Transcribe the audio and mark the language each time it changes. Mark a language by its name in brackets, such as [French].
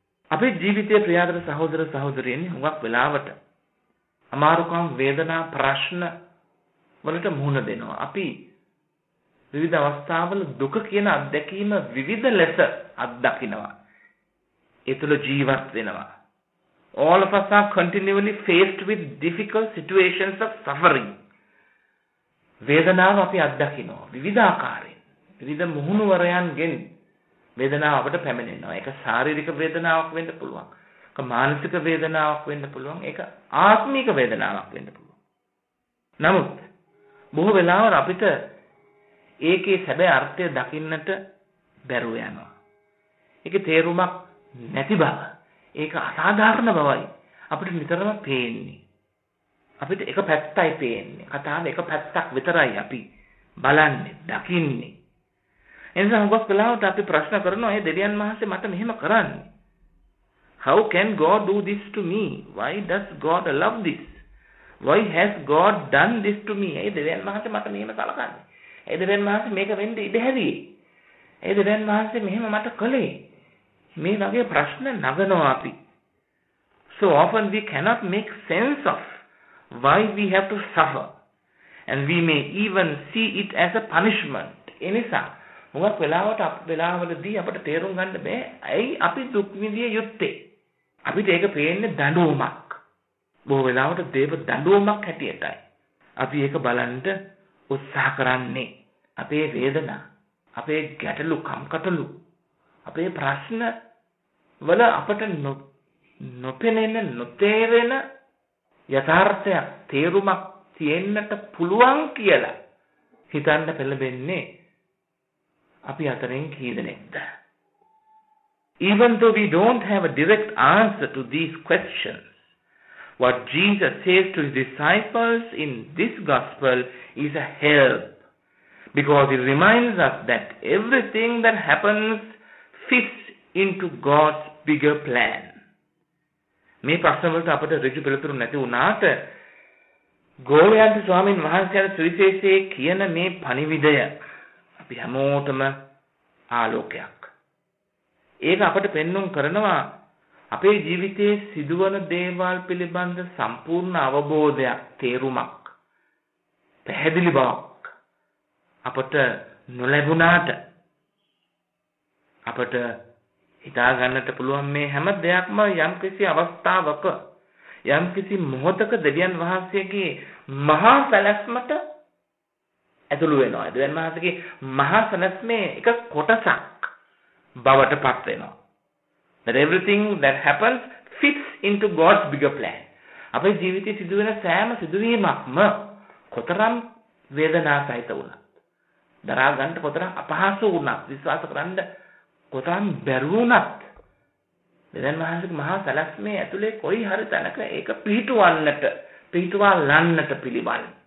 [Sinhala] අපේ ජීවිතයේ ප්‍රියතර සහෝදර සහෝදරියනි, හුඟක් වෙලාවට අමාරුකම්, වේදනා, ප්‍රශ්න වලට මුහුණ දෙනවා. අපි විවිධ අවස්ථාවල දුක කියන අත්දැකීම විවිධ ලෙස අත්දකිනවා. ඒ තුළ ජීවත් වෙනවා. [English] All of us are continually faced with difficult situations of suffering. [Sinhala] වේදනාව අපි අත්දකිනවා විවිධාකාරයෙන්. විවිධ මුහුණුවරයන්ගෙන් වේදනාව අපට පැමිණෙනවා. ඒක ශාරීරික වේදනාවක් වෙන්න පුළුවන්. ඒක මානසික වේදනාවක් වෙන්න පුළුවන්. ඒක ආත්මික වේදනාවක් වෙන්න පුළුවන්. නමුත් බොහෝ වෙලාවට අපිට ඒකේ සැබෑ අර්ථය දකින්නට බැරුව යනවා. ඒකේ තේරුමක් නැති බව, ඒක අසාධාරණ බවයි අපිට නිතරම පේන්නේ. අපිට එක පැත්තයි පේන්නේ. කතාවේ එක පැත්තක් විතරයි අපි බලන්නේ, දකින්නේ. එනිසා හුඟක් වෙලාවට අපි ප්‍රශ්න කරනවා, ඒ දෙවියන් වහන්සේ මට මෙහෙම කරන්නේ. [English] How can God do this to me? Why does God allow this? Why has God done this to me? [Sinhala] ඒ දෙවියන් වහන්සේ මට මෙහෙම සලකන්නේ. ඒ දෙවියන් වහන්සේ මේක වෙන්න ඉඩ හැදියේ. ඒ දෙවියන් වහන්සේ මෙහෙම මට කළේ. මේ වගේ ප්‍රශ්න නගනවා අපි. [English] So often we cannot make sense of why we have to suffer. And we may even see it as a punishment. [Sinhala] Enisa. මොකක් වෙලාවට වෙලාවවලදී අපිට තේරුම් ගන්න බෑ ඇයි අපි දුක් විඳිය යුත්තේ අපිට ඒක පේන්නේ දඬුවමක් බොහෝ වෙලාවට දේව දඬුවමක් හැටියටයි අපි ඒක බලන්න උත්සාහ කරන්නේ අපේ වේදනා අපේ ගැටලු කම්කටොළු අපේ ප්‍රශ්න වල අපට නොපෙනෙන නොතේරෙන යථාර්ථයක් තේරුමක් තියෙන්නට පුළුවන් කියලා හිතන්න පෙළඹෙන්නේ අපි අතරෙන් කී දෙනෙක්ද? [English] Even though we don't have a direct answer to these questions, what Jesus says to his disciples in this gospel is a help, because it reminds us that everything that happens fits into God's bigger plan. [Sinhala] මේ ප්‍රශ්නවලට අපට ඍජු පිළිතුරු නැති වුණාට, ගෝලයන්ති ස්වාමීන් වහන්සේගේ සුවිශේෂයේ කියන මේ පණිවිඩය අපි හැමෝටම ආලෝකයක්. ඒක අපට පෙන්වුම් කරනවා අපේ ජීවිතයේ සිදුවන දේවල් පිළිබඳ සම්පූර්ණ අවබෝධයක් තේරුමක් පැහැදිලි බවක් අපට නොලැබුණාට අපට හිතා ගන්නට පුළුවන් මේ හැම දෙයක්ම යම්කිසි අවස්ථාවක යම්කිසි මොහොතක දෙවියන් වහන්සේගේ මහා සැලැස්මට ඇතුළු වෙනවා. දෙවියන් වහන්සේගේ මහා සැලැස්මේ එක කොටසක් බවට පත් වෙනවා. [English] That everything that happens fits into God's bigger plan. [Sinhala] අපේ ජීවිතයේ සිදුවෙන සෑම සිදුවීමක්ම කොතරම් වේදනා සහිත වුණත්, දරා ගන්න කොතරම් අපහසු වුණත්, විශ්වාස කරන්න කොතරම් බැරි වුණත්, දෙවියන් වහන්සේගේ මහා සැලැස්මේ ඇතුලේ කොයි හරි තැනක ඒක පිහිටුවන්නට පිළිවන්.